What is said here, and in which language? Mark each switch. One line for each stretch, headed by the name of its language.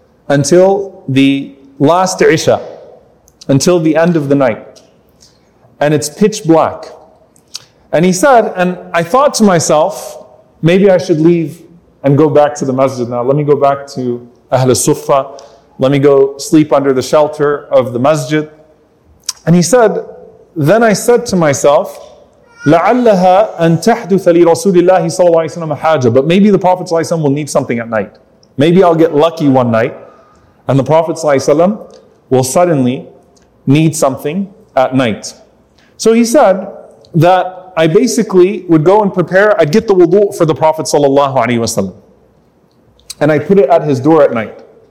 English: until the last Isha, until the end of the night. And it's pitch black. And he said, and I thought to myself, maybe I should leave and go back to the masjid now. Let me go back to Ahl al-Suffa. Let me go sleep under the shelter of the masjid. And he said, then I said to myself,
Arabic: لَعَلَّهَا أَن تَحْدُثَ لِرَسُولِ اللَّهِ صَلَى اللَّهِ سَلَمَ حَاجَةً.
English: But maybe the Prophet ﷺ will need something at night. Maybe I'll get lucky one night, and the Prophet ﷺ will suddenly need something at night. So he said that I basically would go and prepare, I'd get the wudu' for the Prophet ﷺ, and I put it at his door at night.